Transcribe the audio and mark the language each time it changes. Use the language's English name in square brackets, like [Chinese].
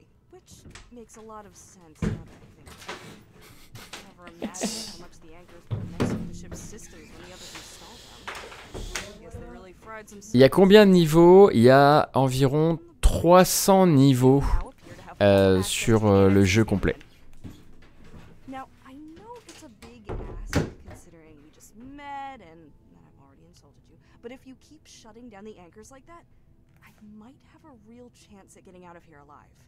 [English] Which makes a lot of sense now that I think about it. I never imagined how much the anchors were next to the ship's systems when the others installed them. [French] Il y a combien de niveaux? Il y a environ 300 niveaux sur le jeu complet. [English] Now, I know it's a big ask considering we just met and I've already insulted you. But if you keep shutting down the anchors like that, I might have a real chance at getting out of here alive.